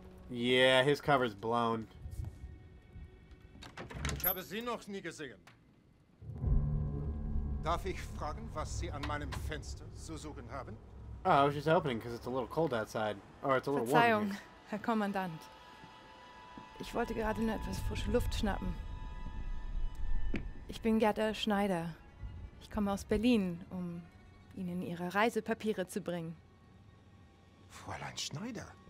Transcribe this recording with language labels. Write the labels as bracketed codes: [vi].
[en] Yeah, his cover's blown. [de] Ich habe Sie noch nie gesehen. Darf ich fragen, was Sie an meinem Fenster zu suchen haben? [en] Oh, I was just opening because it's a little cold outside. Or it's a little [de] Verzeihung, [en] warm here. [de] Herr Kommandant. Ich wollte gerade nur etwas frische Luft schnappen. Ich bin Gerda Schneider. Ich komme aus Berlin, um Ihnen Ihre Reisepapiere zu bringen. Fräulein Schneider?